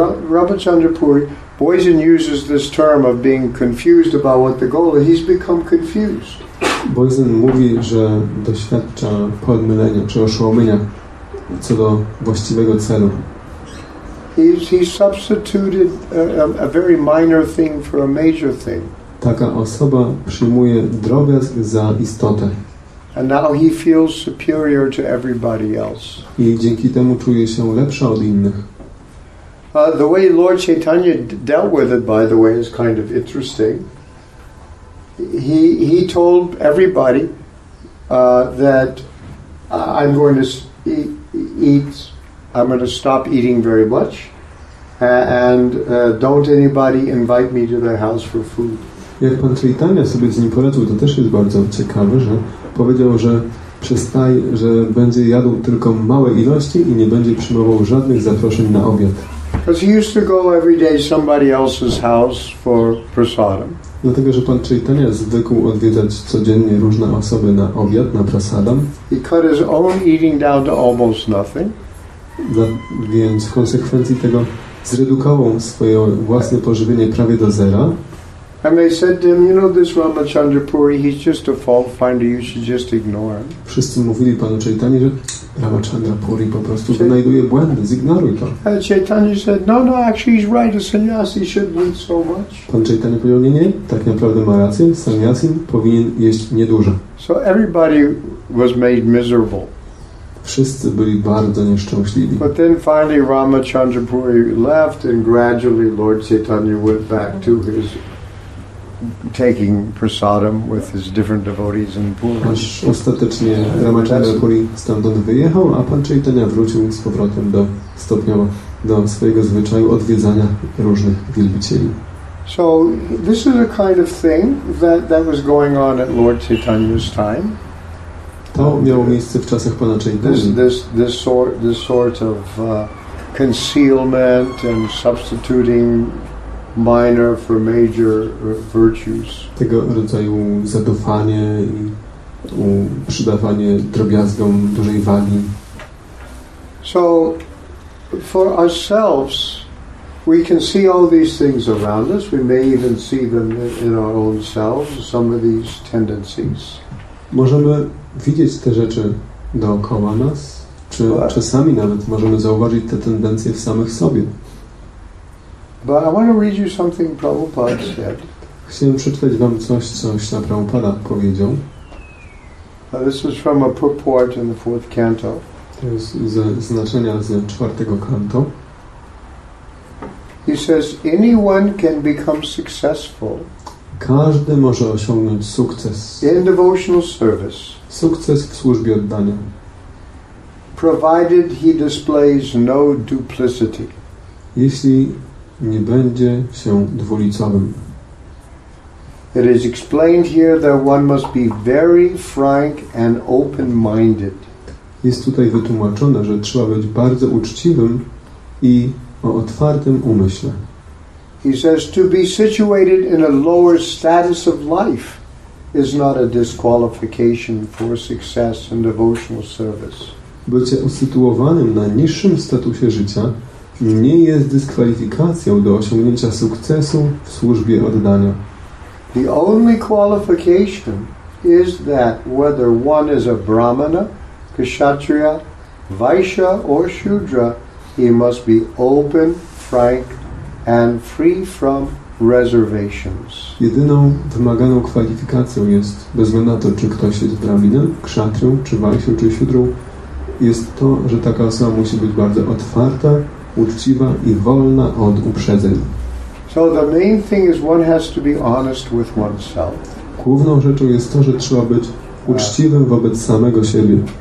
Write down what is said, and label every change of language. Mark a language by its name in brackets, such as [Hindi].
[English] Ramachandra Puri, Boisen uses this term of being confused about what the goal is. He's become confused. [Polish] Boisen mówi, że doświadcza podmylenia czy oszołomienia co do właściwego celu. [English] He substituted a very minor thing for a major thing. [Polish] Taka osoba przyjmuje drobiazg za istotę. [English] And now he feels superior to everybody else. [Polish] I dzięki temu czuje się lepsza od innych. [English] The way Lord Chaitanya dealt with it, by the way, is kind of interesting. He told everybody that I'm going to stop eating very much, and don't anybody invite me to their house for food. [Polish] Jak pan Chaitanya sobie z nim poradził, to też jest bardzo ciekawe, że powiedział, że że będzie jadł tylko małe ilości i nie będzie przyjmował żadnych zaproszeń na obiad. [English] Because he used to go every day to somebody else's house for prasadam. [Polish] Dlatego, że pan Chaitanya zwykł odwiedzać codziennie różne osoby na obiad, na prasadam. [English] He cut his own eating down to almost nothing. [Polish] Więc w konsekwencji tego zredukował swoje własne pożywienie prawie do zera. [English] And they said to him, you know, this Ramachandra Puri, he's just a fault finder, you should just ignore him. [Polish] Wszyscy mówili panu Chaitanya, że Ramachandra Puri po prostu wynajduje błędy, zignoruj to. [English] And Chaitanya said, no, actually he's right, a sannyasi shouldn't eat so much. [Polish] Pan Chaitanya powiedział, nie, tak naprawdę ma rację, sannyasin powinien jeść niedużo. [English] So everybody was made miserable. [Polish] Wszyscy byli bardzo nieszczęśliwi. [English] But then finally Ramachandra Puri left and gradually Lord Chaitanya went back to his taking prasadam with his different devotees in Puri. [Polish] Aż ostatecznie Ramachandra Puri stamtąd wyjechał, a pan Chaitanya wrócił z powrotem do stopniowo do swojego zwyczaju odwiedzania różnych wielbicieli. [English] So this is a kind of thing that was going on at Lord Chaitanya's time. [Polish] To miało miejsce w czasach pana Chaitanya. [English] This sort of concealment and substituting minor for major virtues. [Polish] Tego rodzaju zadufanie i przydawanie drobiazgom dużej wagi. [English] So for ourselves, we can see all these things around us. We may even see them in our own selves, some of these tendencies. [Polish] Możemy widzieć te rzeczy dookoła nas, czy czasami nawet możemy zauważyć te tendencje w samych sobie. [English] But I want to read you something Prabhupada said. [Polish] Chciałem przeczytać wam coś, co Śla Prabhupada powiedział. [English] This is from a purport in the fourth canto. [Polish] To jest ze znaczenia z czwartego kanto. [English] He says, anyone can become successful. [Polish] Każdy może osiągnąć sukces. [English] In devotional service. [Polish] Sukces w służbie oddania. [English] Provided he displays no duplicity. [Polish] Jeśli nie będzie się dwulicowym. [English] It is explained here that one must be very frank and open-minded. [Polish] Jest tutaj wytłumaczone, że trzeba być bardzo uczciwym i o otwartym umyśle. [English] He says to be situated in a lower status of life is not a disqualification for success in devotional service. [Polish] Bycie usytuowanym na niższym statusie życia nie jest dyskwalifikacją do osiągnięcia sukcesu w służbie oddania. [English] The only qualification is that whether one is a brahmana, kshatriya, vaishya or shudra, he must be open, frank and free from reservations. [Polish] Jedyną wymaganą kwalifikacją jest, bez względu na to, czy ktoś jest brahminem, kshatrią, czy vaishya, czy shudrą, jest to, że taka osoba musi być bardzo otwarta, uczciwa i wolna od uprzedzeń. [English] So the main thing is one has to be honest with oneself. [Polish] Główną rzeczą jest to, że trzeba być uczciwym wobec samego siebie.